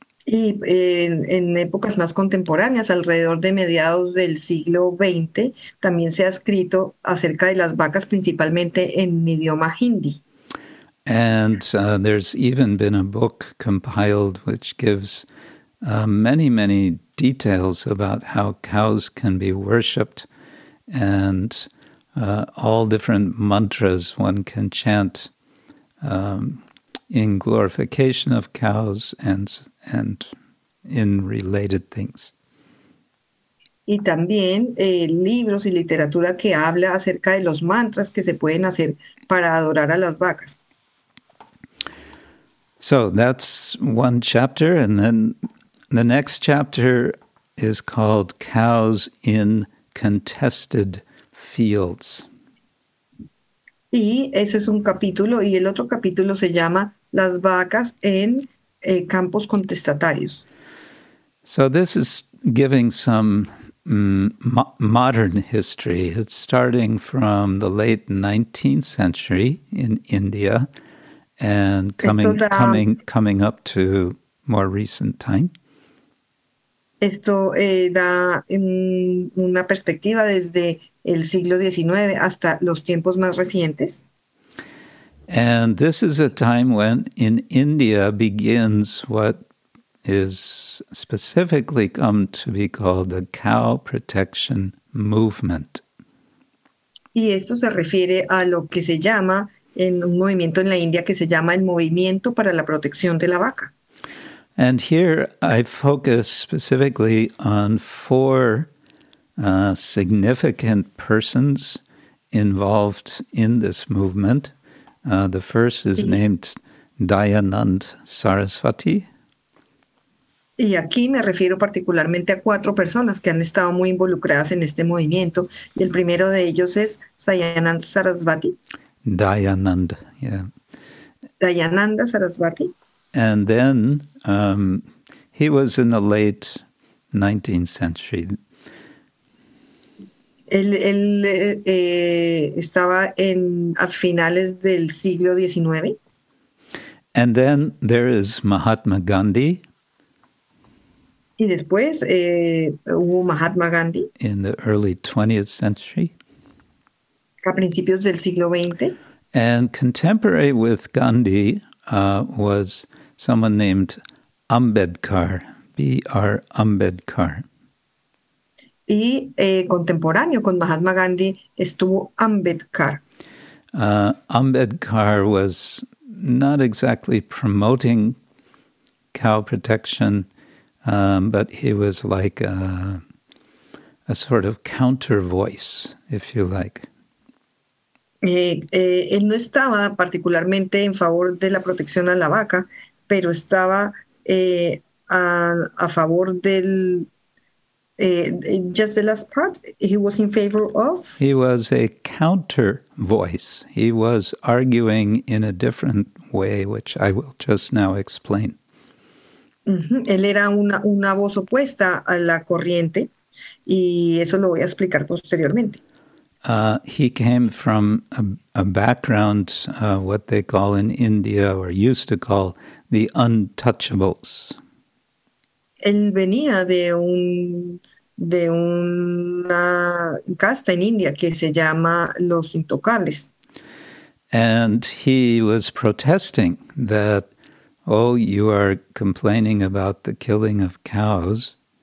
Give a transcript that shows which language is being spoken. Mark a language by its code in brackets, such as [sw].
[es] Y en épocas más contemporáneas, alrededor de mediados del siglo XX, también se ha escrito acerca de las vacas, principalmente en idioma hindi. [en] And there's even been a book compiled which gives many, many details about how cows can be worshipped and all different mantras one can chant in glorification of cows and in related things. [es] Y también libros y literatura que habla acerca de los mantras que se pueden hacer para adorar a las vacas. [en] So that's one chapter, and then the next chapter is called Cows in Contested Fields. [es] Y ese es un capítulo, y el otro capítulo se llama Las vacas en campos contestatarios. [en] So this is giving some modern history. It's starting from the late 19th century in India and coming up to more recent time. [es] Esto da una perspectiva desde el siglo XIX hasta los tiempos más recientes. [en] And this is a time when in India begins what is specifically come to be called the cow protection movement. [es] Y esto se refiere a lo que se llama en un movimiento en la India que se llama el movimiento para la protección de la vaca. [en] And here I focus specifically on four significant persons involved in this movement. The first is named Dayanand Saraswati. [es] Y aquí me refiero particularmente a cuatro personas que han estado muy involucradas en este movimiento. Y el primero de ellos es Dayanand Saraswati. [en] Dayanand, yeah. Dayananda Saraswati. And then he was in the late 19th century. [es] Él estaba en a finales del siglo XIX. [en] And then there is Mahatma Gandhi. [es] Y después hubo Mahatma Gandhi. [en] In the early 20th century. [es] A principios del siglo XX. [en] And contemporary with Gandhi was someone named Ambedkar, B.R. Ambedkar. [es] Y contemporáneo con Mahatma Gandhi estuvo Ambedkar. [en] Ambedkar was not exactly promoting cow protection, but he was like a sort of counter voice, if you like. [es] Él no estaba particularmente en favor de la protección a la vaca, pero estaba a favor del... [en] just the last part, he was in favor of? He was a counter voice. He was arguing in a different way, which I will just now explain. Uh-huh. [es] Él era una voz opuesta a la corriente, y eso lo voy a explicar posteriormente. [en] He came from a background, what they call in India, or used to call, the untouchables. [es] Él venía de una casta en India que se llama Los Intocables. [en] And he was protesting that, you are complaining about the killing of cows.